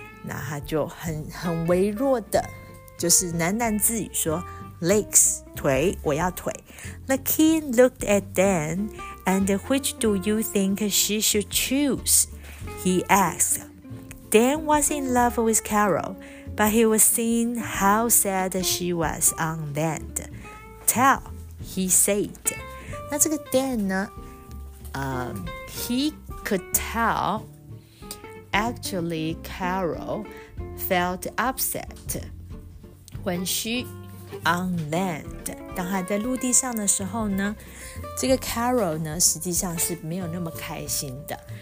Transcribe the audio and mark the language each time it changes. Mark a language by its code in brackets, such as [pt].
[zh] 那她就很微弱的，就是喃喃自语说 Legs, 腿，我要腿。 [en] The king looked at Dan, and which do you think she should choose? He asked. Dan was in love with Carol, but he was seeing how sad she was on land. Tell, he said. [zh] 那这个 Dan 呢、 [en] he could tell. Actually, Carol felt upset when she on land. [zh] 当她在陆地上的时候呢，这个 Carol 呢，实际上是没有那么开心的。